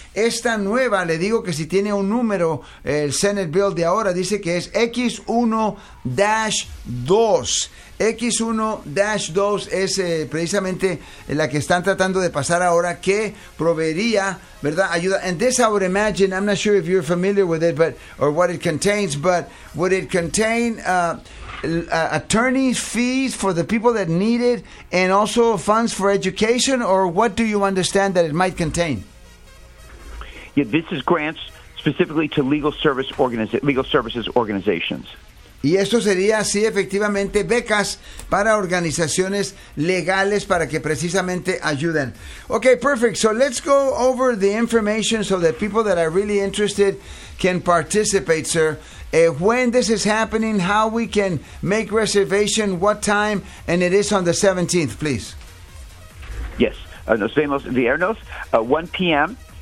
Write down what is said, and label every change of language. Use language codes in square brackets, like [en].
[es] Esta nueva, le digo que si tiene un número, el Senate Bill de ahora, dice que es X1-2. X1-2 es precisamente la que están tratando de pasar ahora, que proveería, ¿verdad?, ayuda. [en] And this, I would imagine, I'm not sure if you're familiar with it, but or what it contains, but would it contain attorney's fees for the people that need it, and also funds for education, or what do you understand that it might contain? Yeah, this is grants specifically to legal services organizations. [es] Y esto sería, sí, efectivamente, becas para organizaciones legales para que precisamente ayuden. [en] Okay, perfect. So let's go over the information so that people that are really interested can participate, sir. When this is happening, how we can make reservation, what time, and it is on the 17th, please. Yes. [es] Nos vemos viernes, 1 p.m.